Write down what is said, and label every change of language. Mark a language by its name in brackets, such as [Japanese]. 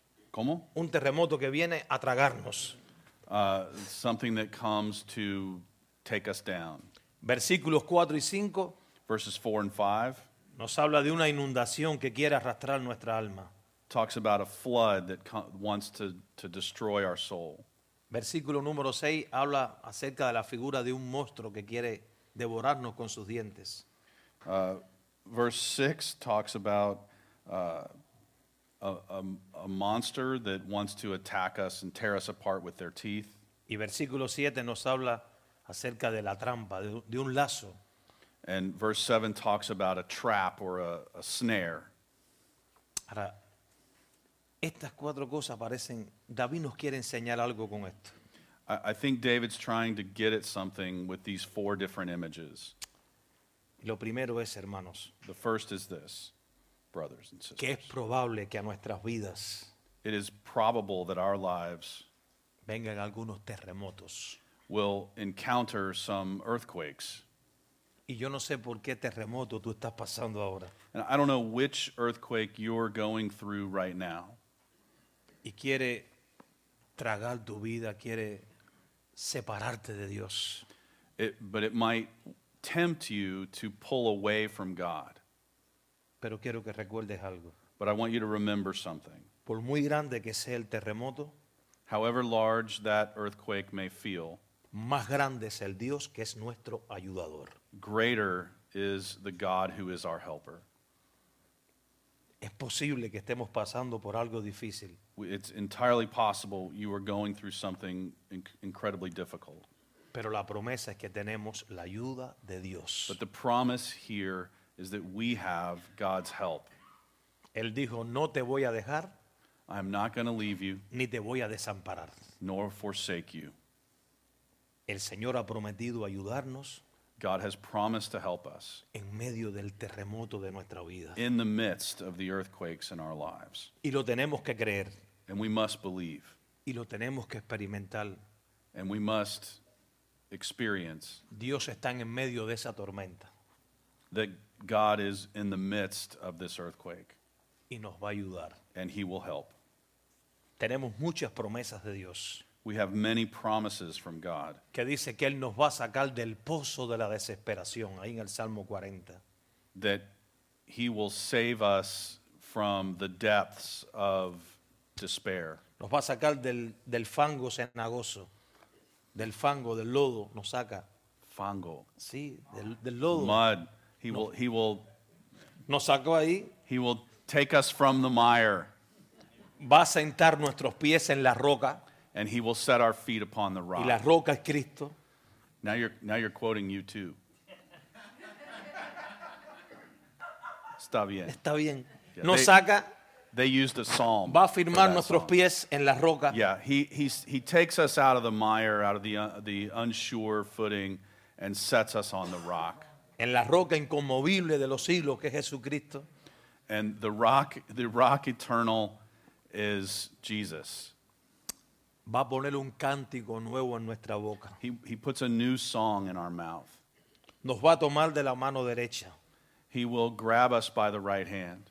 [Spanish] ¿Cómo? Un terremoto que viene a tragarnos. [English] Something that comes to take us down. [Spanish] Versículos 4 y 5. [English] Verses 4 and 5. [Spanish] Nos habla de una inundación que quiere arrastrar nuestra alma. [English] Talks about a flood that wants to destroy our soul. [Spanish] Versículo número 6 habla acerca de la figura de un monstruo que quiere devorarnos con sus dientes. [English] Verse 6 talks about a monster that wants to attack us and tear us apart with their teeth. [Spanish] Y versículo 7 nos habla acerca de la trampa, de un lazo. [English] And verse 7 talks about a trap or a snare. [Spanish] Ahora, estas cuatro cosas parecen, David nos quiere enseñar algo con esto. [English] I think David's trying to get at something with these four different images. [Spanish] Lo primero es, hermanos, [English] the first is this, brothers and sisters. [Spanish] Que es probable que a nuestras vidas, [English] it is probable that our lives [Spanish] vengan algunos terremotos, [English] will encounter some earthquakes. [Spanish] Y yo no sé por qué terremoto tú estás pasando ahora. [English] And I don't know which earthquake you're going through right now. [Spanish] Y quiere tragar tu vida, quiere separarte de Dios. [English] But it might tempt you to pull away from God. [Spanish] Pero quiero que recuerdes algo. [English] But I want you to remember something. [Spanish] Por muy grande que sea el terremoto, [English] however large that earthquake may feel, [Spanish] más grande es el Dios que es nuestro ayudador. [English] Greater is the God who is our helper. [Spanish] Es posible que estemos pasando por algo difícil. [English] It's entirely possible you are going through something incredibly difficult. [Spanish] Pero la promesa es que tenemos la ayuda de Dios. [English] But the promise here is that we have God's help. [Spanish] Él dijo, no te voy a dejar. [English] I am not going to leave you. [Spanish] Ni te voy a desamparar. [English] Nor forsake you. [Spanish] El Señor ha prometido ayudarnos. [English] God has promised to help us. [Spanish] En medio del terremoto de nuestra vida. [English] In the midst of the earthquakes in our lives. [Spanish] Y lo tenemos que creer. [English] And we must believe. [Spanish] Y lo tenemos que experimentar. [English] And we must experience. [Spanish] Dios está en medio de esa tormenta. [English] That God is in the midst of this earthquake. [Spanish] Y nos va a ayudar. [English] And he will help. [Spanish] Tenemos muchas promesas de Dios. [English] We have many promises from God. [Spanish] Que dice que él nos va a sacar del pozo de la desesperación, ahí en el Salmo 40. [English] That he will save us from the depths of despair. [Spanish] Nos va a sacar del fango cenagoso. Del fango, del lodo, nos saca. Fango. Sí, del lodo. [English] Mud. He will. [Spanish] Nos sacó ahí. [English] He will take us from the mire. [Spanish] Va a sentar nuestros pies en la roca. [English] And he will set our feet upon the rock. [Spanish] Y la roca es Cristo. [English] Now you're quoting you too. [Spanish] Está bien. Está bien. [English] Yeah, [Spanish] nos saca. [English] They used a psalm. [Spanish] Va a firmar nuestros [English] song. [Spanish] Pies en la roca. [English] Yeah, he takes us out of the mire, out of the unsure footing, and sets us on the rock. [Spanish] En la roca inconmovible de los siglos, que es Jesucristo. [English] And the rock eternal is Jesus. [Spanish] Va a poner un cántico nuevo en nuestra boca. [English] He puts a new song in our mouth. [Spanish] Nos va a tomar de la mano derecha. [English] He will grab us by the right hand.